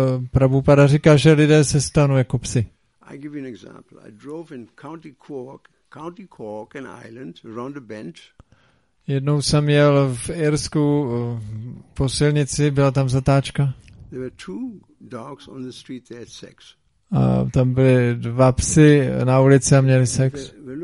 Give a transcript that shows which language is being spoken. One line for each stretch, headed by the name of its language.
Czech: Prabhupada říká, že lidé se stanou jako psi.
English: I give you an example. I drove in County Cork, an island, around a bend.
Czech: Jednou jsem jel v Irsku po silnici, byla tam zatáčka.
English: There were two dogs on the street, they had sex.
Czech: A tam byly dva psy na ulici a měli sex.